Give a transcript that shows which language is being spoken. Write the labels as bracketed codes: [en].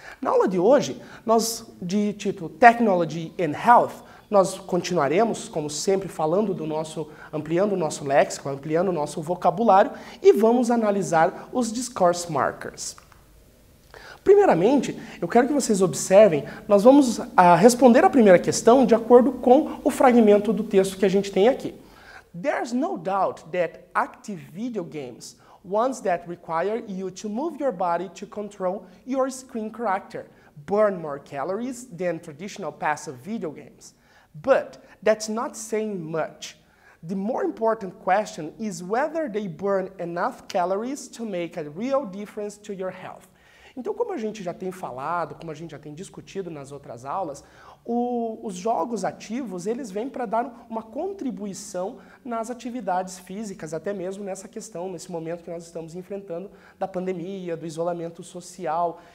[pt] Na aula de hoje, nós, de título Technology and Health, nós continuaremos, como sempre, falando do nosso, ampliando o nosso léxico, ampliando o nosso vocabulário, e vamos analisar os discourse markers. Primeiramente, eu quero que vocês observem, nós vamos responder a primeira questão de acordo com o fragmento do texto que a gente tem aqui. [en] There's no doubt that active video games, ones that require you to move your body to control your screen character, burn more calories than traditional passive video games. But that's not saying much. The more important question is whether they burn enough calories to make a real difference to your health. [pt] Então, como a gente já tem falado, como a gente já tem discutido nas outras aulas, os jogos ativos, eles vêm para dar uma contribuição nas atividades físicas, até mesmo nessa questão, nesse momento que nós estamos enfrentando da pandemia, do isolamento social.